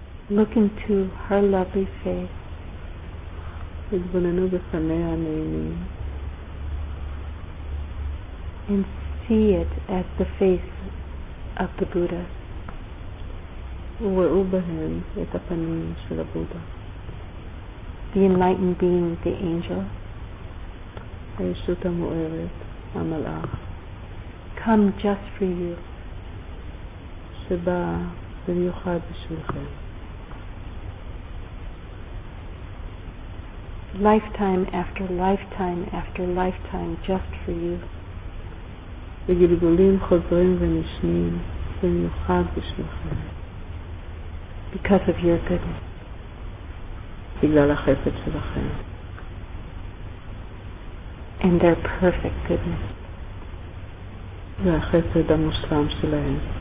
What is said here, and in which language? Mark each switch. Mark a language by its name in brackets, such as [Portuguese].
[English] Look into her lovely face. [Hebrew] התבוננו בפניה הנעימים. [English] And see it as the face of the Buddha. [Hebrew] וראו בהם את הפנים של הבודה. [English] The enlightened being, the angel. [Hebrew] הישות המוארת, המלאך. [English] Come just for you. [Hebrew] שבא במיוחד בשבילכם. [English] Lifetime after lifetime after lifetime just for you. [Hebrew] בגלגולים חוזרים ונשנים במיוחד בשבילכם. [English] Because of your goodness. [Hebrew] בגלל החסד שלכם. [English] And their perfect goodness. [Hebrew] והחסד המושלם שלהם.